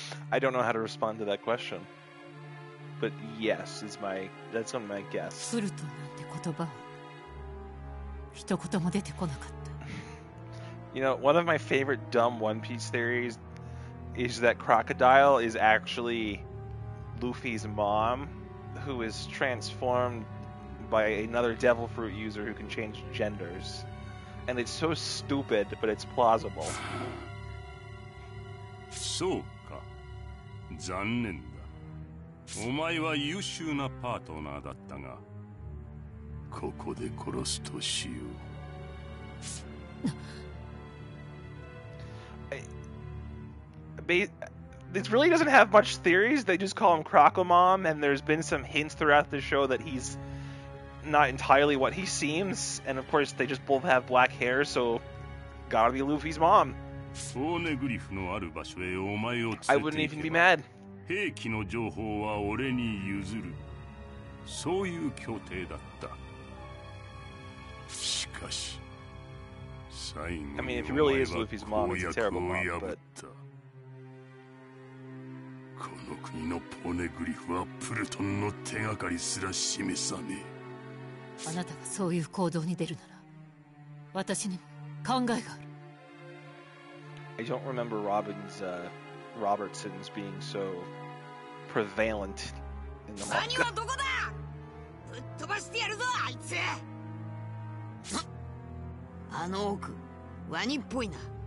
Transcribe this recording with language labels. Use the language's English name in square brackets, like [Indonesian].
[English] I don't know how to respond to that question. But yes, is my that's on my guess. [Japanese] プルトンなんて言葉は一言も出てこなかった。 [English] You know, one of my favorite dumb One Piece theories is that Crocodile is actually Luffy's mom, who is transformed by another Devil Fruit user who can change genders, and it's so stupid, but it's plausible. [Japanese] そうか、残念。お前は優秀なパートナーだったが、ここで殺すとしよう。 [English] This really doesn't have much theories. They just call him Crocomom, and there's been some hints throughout the show that he's not entirely what he seems. And of course, they just both have black hair, so gotta be Luffy's mom. [Japanese] ポーネグリフのある場所へお前を連れて。 [English] I wouldn't even be mad. [Japanese] 兵器の情報は俺に譲る。そういう協定だった。しかし、最後にお前は公約を破った。このの国のポネグリフはプルトンの手がかりすら示さねえ。あなたがそういう行動に出るなら私にも考えがある。 [English] I don't remember Robin's, Robertson's being so prevalent in the [Japanese] manga. 何はどこだ、ぶっ飛ばしてやるぞあいつ。あの奥、ワニっぽいな。